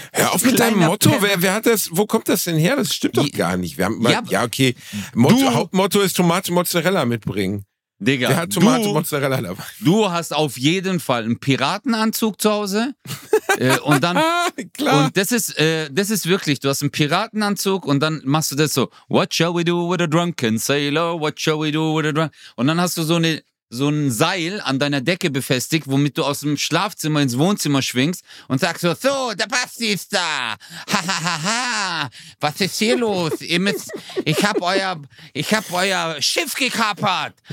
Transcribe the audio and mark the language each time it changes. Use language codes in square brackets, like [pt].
[de] Hör auf mit deinem Motto. Wer hat das? Wo kommt das denn her? Das stimmt doch gar nicht. Wir haben mal, ja okay. Motto, Hauptmotto ist Tomate Mozzarella mitbringen. Digga, wer hat Tomate Mozzarella dabei? Du hast auf jeden Fall einen Piratenanzug zu Hause. und dann klar. Und das ist wirklich. Du hast einen Piratenanzug und dann machst du das so. [en] What shall we do with a drunken sailor? What shall we do with a drunken? [de] Und dann hast du so ein Seil an deiner Decke befestigt, womit du aus dem Schlafzimmer ins Wohnzimmer schwingst und sagst so, der Basti ist da. Ha, ha, ha, ha. Was ist hier los? Ich hab euer Schiff gekapert.